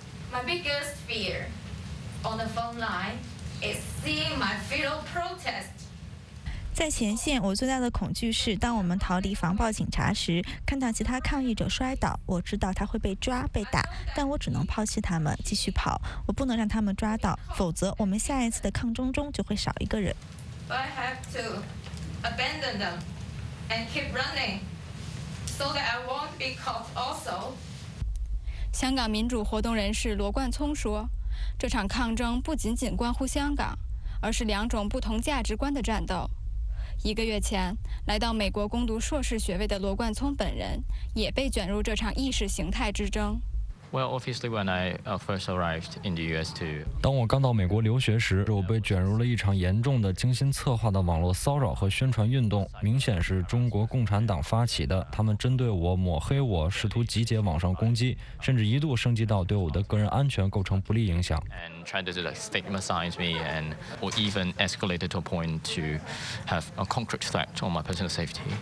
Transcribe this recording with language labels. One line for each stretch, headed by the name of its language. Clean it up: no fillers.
English: My biggest fear on the phone line is seeing my fellow protest.
Chinese: 在前线，我最大的恐惧是当我们逃离防暴警察时，看到其他抗议者摔倒，我知道他会被抓被打，但我只能抛弃他们继续跑，我不能让他们抓到，否则我们下一次的抗争中就会少一个人。
English: I have to abandon them and keep running so that I won't be caught also.
Chinese: 香港民主活动人士罗冠聪说，这场抗争不仅仅关乎香港，而是两种不同价值观的战斗。一个月前，来到美国攻读硕士学位的罗冠聪本人也被卷入这场意识形态之争。
English: Well, obviously, when I first arrived in the U.S. to
Chinese: 当我刚到美国留学时，我被卷入了一场严重的、精心策划的网络骚扰和宣传运动，明显是中国共产党发起的。他们针对我、抹黑我，试图集结网上攻击，甚至一度升级到对我的个人安全构成不利影响。
English: And tried to like stigmatize me, and or even escalated to a point to have a concrete threat on my personal safety.